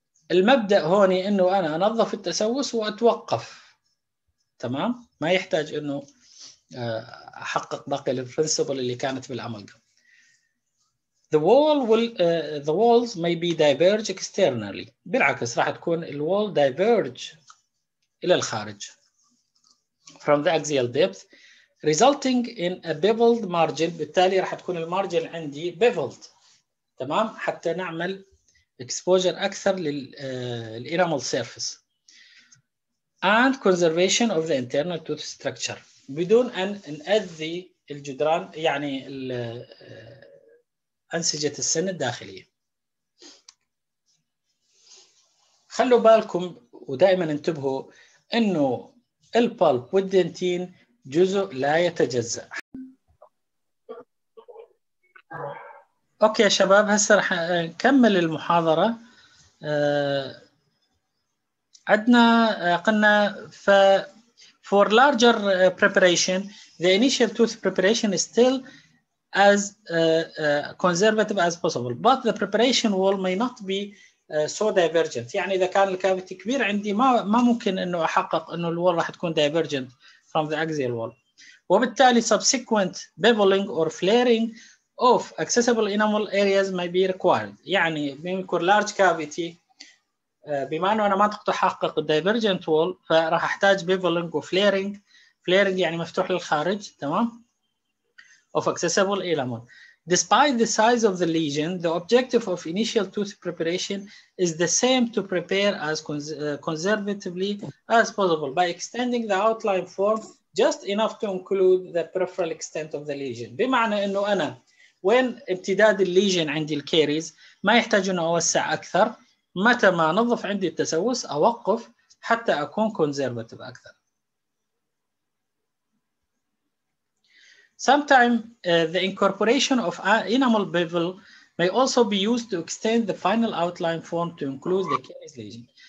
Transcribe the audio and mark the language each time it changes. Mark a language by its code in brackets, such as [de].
[ar] المبدأ هوني إنه أنا أنظف التسوس وأتوقف. تمام؟ ما يحتاج إنه أحقق باقي البرنسبل اللي كانت بالأملقم. [en] The wall will the walls may be diverge externally. [ar] بالعكس راح تكون [en] the wall diverge [ar] إلى الخارج [en] from the axial depth, resulting in a beveled margin. [ar] بالتالي راح تكون المارجن عندي beveled. تمام حتى نعمل exposure أكثر لل [en] enamel surface and conservation of the internal tooth structure [ar] بدون أن نأذي الجدران يعني ال أنسجة السن الداخلية. خلوا بالكم ودائما انتبهوا إنه البلب والدنتين جزء لا يتجزأ. أوكي يا شباب، هسه رح نكمل المحاضرة. عندنا قلنا [en] for larger preparation the initial tooth preparation is still as conservative as possible, but the preparation wall may not be so divergent. [ar] يعني إذا كان الكافيتي كبير عندي ما ممكن إنه أحقق إنه الوال راح تكون [en] divergent from the axial wall. [ar] وبالتالي [en] subsequent beveling or flaring of accessible enamel areas may be required. [ar] يعني بيكون large cavity بما أنه أنا ما تقدر أحقق divergent wall فراح أحتاج beveling وflaring. flaring يعني مفتوح للخارج، تمام؟ [en] of accessible enamel. Despite the size of the lesion, the objective of initial tooth preparation is the same to prepare as conservatively as possible by extending the outline form just enough to include the peripheral extent of the lesion. [ar] بمعنى أنه أنا وين ابتداد الليجن عندي الكاريز ما يحتاج أن أوسع أكثر، متى ما نظف عندي التسوس أوقف حتى أكون conservative أكثر. [en] Sometimes the incorporation of enamel bevel may also be used to extend the final outline form to include the caries lesion.